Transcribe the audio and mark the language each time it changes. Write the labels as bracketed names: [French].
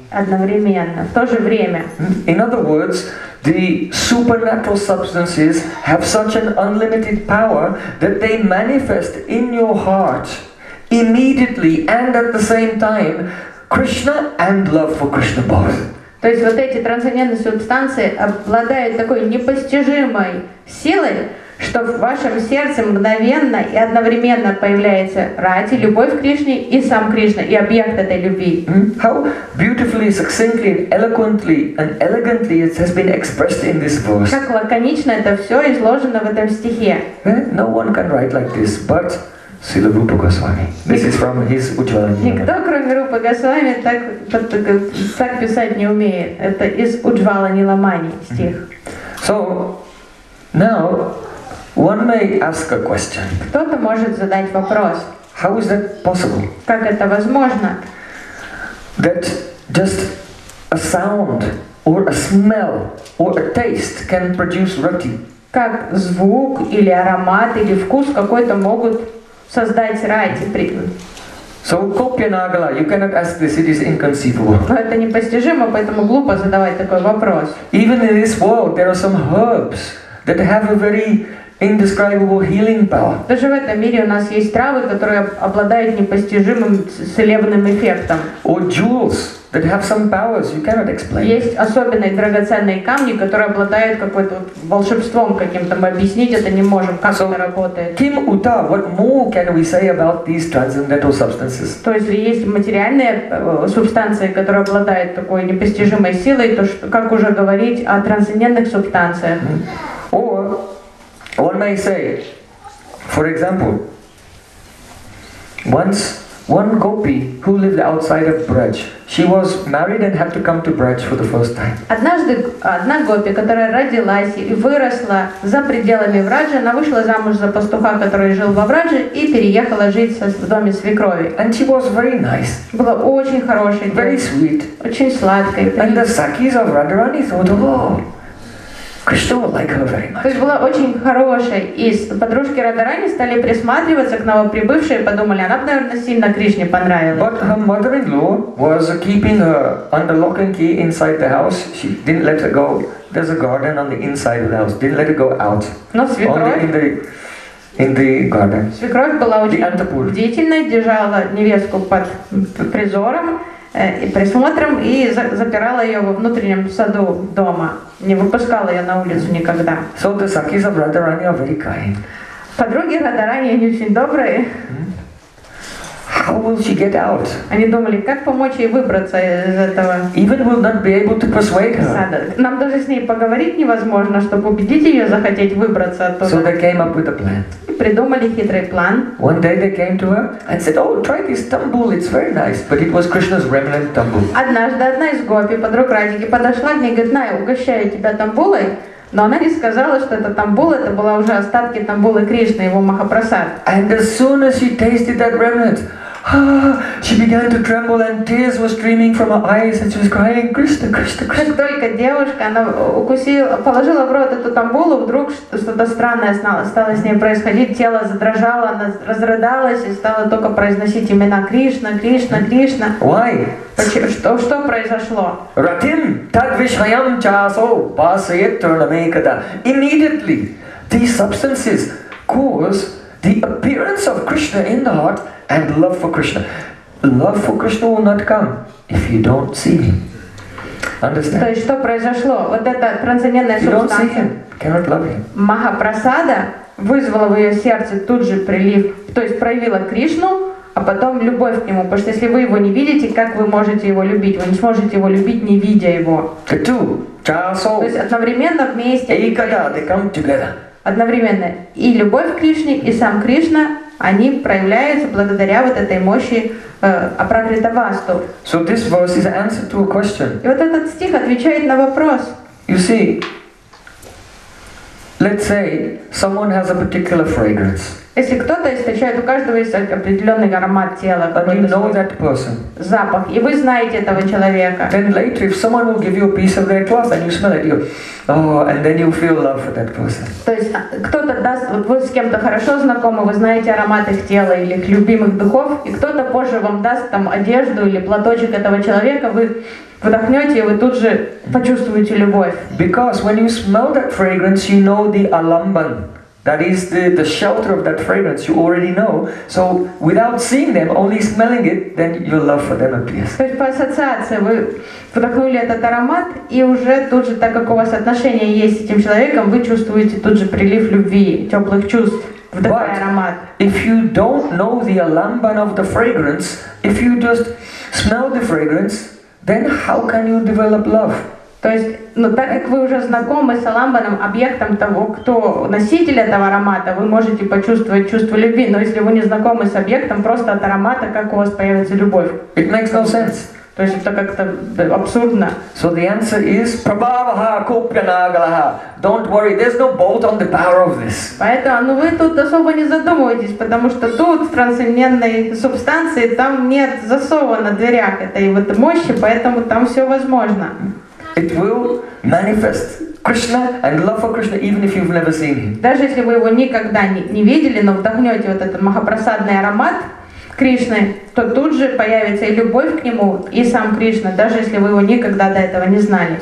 [Russian] Одновременно, в то же время. [English] In other words, the supernatural substances have such an unlimited power that they manifest in your heart immediately and at the same time Krishna and love for Krishna both. [Russian] То есть вот эти трансцендентные субстанции обладают такой непостижимой силой, что в вашем сердце мгновенно и одновременно появляется рати, любовь к Кришне, и сам Кришна, и объект этой любви. [English] How beautifully, succinctly, eloquently, and elegantly it has been expressed in this verse. [Russian] Как лаконично это все изложено в этом стихе. [English] No one can write like this, but Srila Rupa Goswami. This is from his Ujjvala Nirmala. [Russian] Никто, кроме Рупа Госвами, так писать не умеет. Это из Ujjvala Nilamani стих. [English] So, now, one may ask a question. [Russian] Кто-то может задать вопрос. [English] How is that possible? [Russian] Как это возможно? [English] That just a sound or a smell or a taste can produce rati. [Russian] Как звук или аромат или вкус какой-то могут создать рати. [English] So Kopyanagala, you cannot ask this, it is inconceivable. [Russian] Но это непостижимо, поэтому глупо задавать такой вопрос. [English] Even in this world there are some herbs that have a very indescribable healing power. [Russian] Даже в этом мире у нас есть травы, которые обладают непостижимым целебным эффектом. [English] Or jewels that have some powers you cannot explain. [Russian] Есть особенные драгоценные камни, которые обладают какой-то волшебством каким-то. Мы объяснить это не можем, как это работает. [Sanskrit] Kim uta, [English] what more can we say about these transcendental substances? [Russian] То есть есть материальные субстанции, которые обладают такой непостижимой силой, то что, как уже говорить о трансцендентных субстанциях? [English] Or one may say, for example, once one gopi who lived outside of Braj, she was married and had to come to Braj for the first time. [Russian] Однажды одна гопи, которая родилась и выросла за пределами Враджа, она вышла замуж за пастуха, который жил во Враджа, и переехала жить в доме свекрови. [English] And she was very nice. [Russian] Была очень хорошей. [English] Very sweet. [Russian] Очень сладкой. [English] And the sakis of Radharani thought, oh, Krishna would like her very much. [Russian] То есть была очень хорошей, и подружки Радарани стали присматриваться к новоприбывшей, подумали, она бы, наверное, сильно Кришне понравилась. [English] But her mother-in-law was keeping her under lock and key inside the house. She didn't let her go. There's a garden on the inside of the house. Didn't let her go out. [Russian] Но свекровь. [English] Only in the garden. [Russian] Свекровь была очень бдительной, держала невестку под призором и присмотром, и запирала ее во внутреннем саду дома, не выпускала ее на улицу никогда. [English] So the sakis of Radharani are very kind. [Russian] Подруги Радарани, они очень добрые. [English] How will she get out? [Russian] Они думали, как помочь ей выбраться из этого. [English] Even will not be able to persuade her. [Russian] Нам даже с ней поговорить невозможно, чтобы убедить ее захотеть выбраться оттуда. [English] So they came up with a plan. [Russian] И придумали хитрый план. [English] One day they came to her and said, oh, try this tambul, it's very nice. But it was Krishna's remnant tambul. [Russian] Однажды одна из гопи, подруг Радики, подошла к ней и говорит, на, я угощаю тебя тамбулой. Но она не сказала, что это тамбул, это была уже остатки тамбулы Кришны, его Махапрасад. [English] And as soon as she tasted that remnant, she began to tremble and tears were streaming from her eyes and she was crying, Krishna, Krishna, Krishna. [Russian] Как только девушка, она укусила, положила в рот эту тамбулу, вдруг что-то странное стало с ней происходить, тело задрожало, она разрыдалась и стала только произносить имена Кришна, Кришна, Кришна. Why? Что произошло? [Sanskrit] Ратим тадвишхаям часо басает турнамейкада. [English] Immediately, these substances cause the appearance of Krishna in the heart and love for Krishna. Love for Krishna will not come if you don't see him. Understand? [Russian] То есть что произошло? Вот эта трансцендентная субстанция, Махапрасада, вызвала в ее сердце тут же прилив, то есть проявила Кришну, а потом любовь к нему. Потому что если вы его не видите, как вы можете его любить? Вы не сможете его любить, не видя его. То есть одновременно вместе. И когда [English] they come together. [Russian] Одновременно. И любовь к Кришне, и сам Кришна, они проявляются благодаря вот этой мощи Апракрита Васту. [English] So this verse is an answer to a question. [Russian] И вот этот стих отвечает на вопрос. [English] You see, let's say someone has a particular fragrance. [Russian] Если кто-то источает, у каждого есть определенный аромат тела. [English] But you know that person. [Russian] Запах. И вы знаете этого человека. [English] Then later, if someone will give you a piece of their cloth, and you smell it, you go, oh, and then you feel love for that person. [Russian] То есть кто-то даст, вот вы с кем-то хорошо знакомы, вы знаете аромат их тела или их любимых духов, и кто-то позже вам даст там одежду или платочек этого человека, вы вдохнете, и вы тут же почувствуете любовь. [English] Because when you smell that fragrance, you know the alamban. That is the shelter of that fragrance, you already know. So without seeing them, only smelling it, then your love for them appears. [Russian] То есть по ассоциации вы вдохнули этот аромат, и уже тут же, так как у вас отношения есть с этим человеком, вы чувствуете тут же прилив любви, теплых чувств. [English] But [Russian] аромат. [English] If you don't know the alamban of the fragrance, if you just smell the fragrance, then how can you develop love? [Russian] То есть, ну так как вы уже знакомы с аламбаном, объектом того, кто носитель этого аромата, вы можете почувствовать чувство любви, но если вы не знакомы с объектом, просто от аромата, как у вас появится любовь? [English] It makes no sense. [Russian] То есть это как-то абсурдно. [English] So the answer is [Sanskrit] prabhavaha kopyanagalaha. [English] Don't worry, there's no bolt on the power of this. [Russian] Поэтому, ну вы тут особо не задумывайтесь, потому что тут в трансцендентной субстанции там нет засова на дверях этой вот мощи, поэтому там все возможно. [English] It will manifest Krishna and love for Krishna even if you've never seen him. [Russian] Даже если вы его никогда не видели, но вдохнете вот этот махапрасадный аромат Кришны, то тут же появится и любовь к нему, и сам Кришна, даже если вы его никогда до этого не знали.